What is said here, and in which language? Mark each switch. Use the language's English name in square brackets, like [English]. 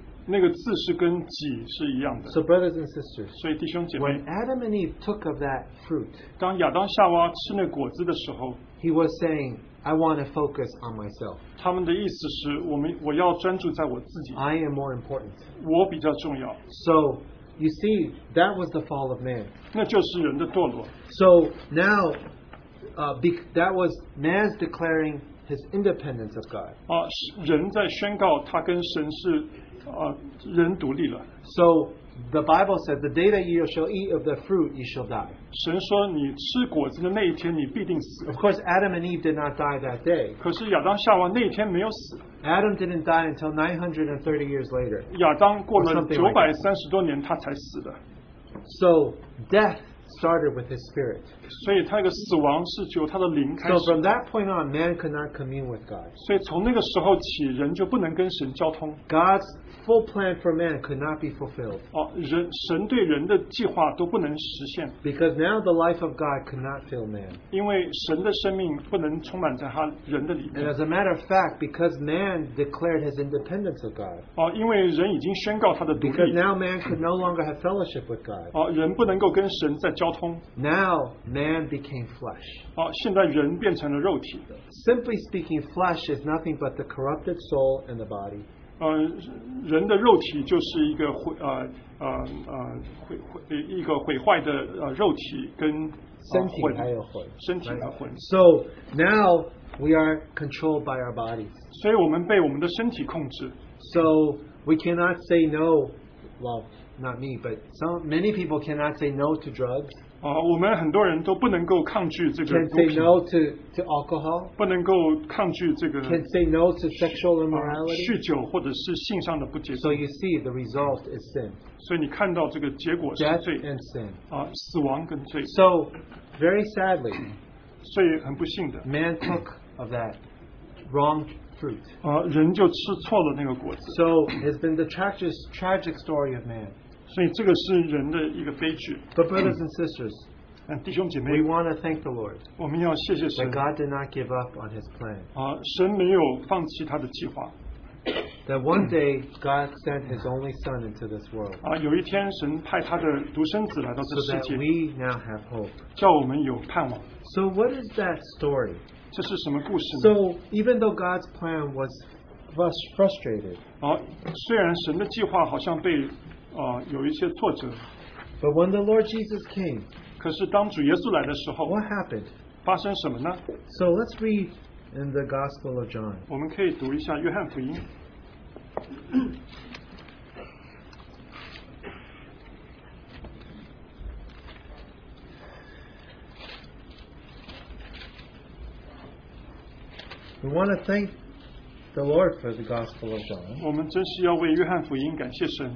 [Chinese] 那个字是跟己是一样的. [English] So brothers and sisters, [Chinese] 所以弟兄姐妹, [English] when Adam and Eve took of that fruit, [Chinese] 当亚当夏娃吃那果子的时候, [English] he was saying, I want to focus on myself. [Chinese] 他们的意思是我要专注在我自己, [English] I am more important. [Chinese] 我比较重要. [English] So you see, that was the fall of man. [Chinese] 那就是人的堕落. [English] So now that was man's declaring his independence of God. [Chinese] 人在宣告他跟神是, 人独立了. [English] So the Bible said, the day that you shall eat of the fruit, you shall die. [Chinese] 神说你吃果子的那一天你必定死. [English] Of course, Adam and Eve did not die that day. [Chinese] 可是亚当夏娃那一天没有死. [English] Adam didn't die until 930 years later. [Chinese] 亚当过了930多年他才死的. [English] So death started with his spirit. So from that point on, man could not commune with God. [Chinese] 所以从那个时候起, [English] God's full plan for man could not be fulfilled. [Chinese] 神对人的计划都不能实现. [English] Because now the life of God could not fill man. And as a matter of fact, because man declared his independence of God, [Chinese] 因为人已经宣告他的独立, [English] because now man could no longer have fellowship with God, [Chinese] 人不能够跟神再交通, [English] now man became flesh. [Chinese] 现在人变成了肉体. [English] Simply speaking, flesh is nothing but the corrupted soul and the body. [Chinese] 人的肉体就是一个毁坏的肉体跟身体还有魂. [English] So now we are controlled by our bodies. [Chinese] 所以我们被我们的身体控制. [English] So we cannot say no. Well, not me, but many people cannot say no to drugs. [Chinese] 我们很多人都不能够抗拒这个毒品. [English] Can't say no to alcohol. [Chinese] 不能够抗拒这个, [English] can't say no to sexual immorality. [Chinese] 酗酒或者是性上的不洁净. [English] So you see, the result is sin. [Chinese] 所以你看到这个结果是罪. [English] Death and sin. [Chinese] 死亡跟罪. [English] So, very sadly, [Chinese] 所以很不幸的, [English] man took of that wrong fruit. [Chinese] 人就吃错了那个果子。 [English] So it has been the tragic story of man. [Chinese] 所以这个是人的一个悲剧。 [English] But brothers and sisters, [Chinese] 弟兄姐妹, [English] we want to thank the Lord [Chinese] 我们要谢谢神, [English] that God did not give up on his plan. [Chinese] 神没有放弃他的计划。 [English] That one day God sent his only son into this world. [Chinese] 有一天神派他的独生子来到这世界, [English] so that we now have hope. [Chinese] 叫我们有盼望。 [English] So what is that story? [Chinese] 这是什么故事呢? [English] So even though God's plan was frustrated, [Chinese] 虽然神的计划好像被, [English] but when the Lord Jesus came, [Chinese] 可是当主耶稣来的时候, [English] what happened? [Chinese] 发生什么呢? [English] So let's read in the Gospel of John. [Chinese] 我们可以读一下约翰福音。 [English] We want to thank the Lord for the Gospel of John. [Chinese] 我们真是要为约翰福音感谢神。